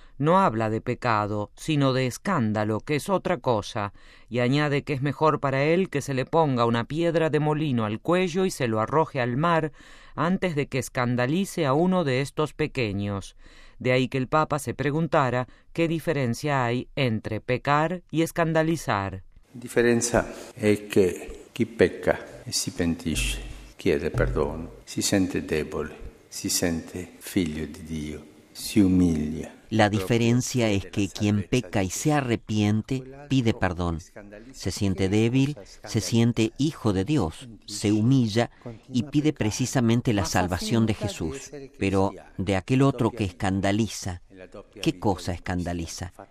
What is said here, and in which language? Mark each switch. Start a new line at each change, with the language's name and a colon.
Spanish: No habla de pecado, sino de escándalo, que es otra cosa, y añade que es mejor para él que se le ponga una piedra de molino al cuello y se lo arroje al mar antes de que escandalice a uno de estos pequeños. De ahí que el Papa se preguntara qué diferencia hay entre pecar y escandalizar. La diferencia es que quien peca
Italian: se pentisce. Chiede perdono, si sente debole, si sente figlio di Dio, si umilia.
Spanish: La diferencia es que quien peca y se arrepiente pide perdón. Se siente débil, se siente hijo de Dios, se humilla y pide precisamente la salvación de Jesús. Pero de aquel otro que escandaliza, ¿qué cosa escandaliza?